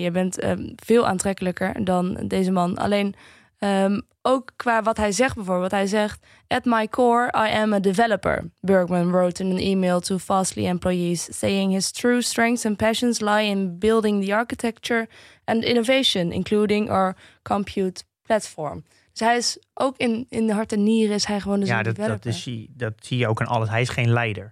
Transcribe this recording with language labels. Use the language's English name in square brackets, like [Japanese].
[Dutch] Je bent veel aantrekkelijker dan deze man. Alleen ook qua wat hij zegt bijvoorbeeld. Hij zegt, [English] at my core, I am a developer. Bergman wrote in an email to Fastly employees, saying his true strengths and passions lie in building the architecture and innovation, including our compute platform. [Dutch] Dus hij is ook in de hart en nieren is hij gewoon een developer. Ja, dat zie je ook in alles. Hij is geen leider.